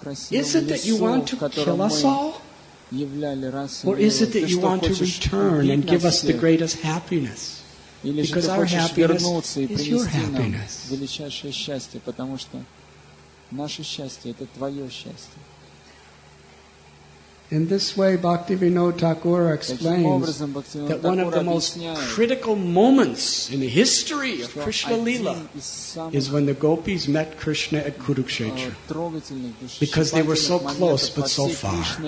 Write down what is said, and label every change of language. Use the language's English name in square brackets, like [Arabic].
[English] Is it that you want to kill us all? Or is it that you want to return and give us the greatest happiness? Because our happiness is your happiness. [Russian] Величайшее счастье, потому что наше счастье — это твое счастье. [English] In this way, Bhaktivinoda Thakur explains that one of the most critical moments in the history of Krishna Lila is when the gopis met Krishna at Kurukshetra, because they were so close but so far.